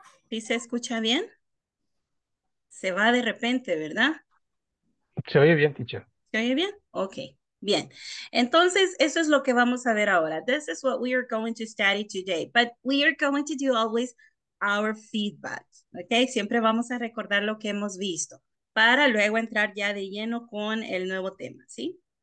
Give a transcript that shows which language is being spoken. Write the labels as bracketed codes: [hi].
[es] ¿Sí se escucha bien? Se va de repente, ¿verdad? Se oye bien, teacher. ¿Se oye bien? Ok, bien. Entonces, eso es lo que vamos a ver ahora. [en] This is what we are going to study today. But we are going to do always our feedback. [es] Ok, siempre vamos a recordar lo que hemos visto para luego entrar ya de lleno con el nuevo tema, ¿sí?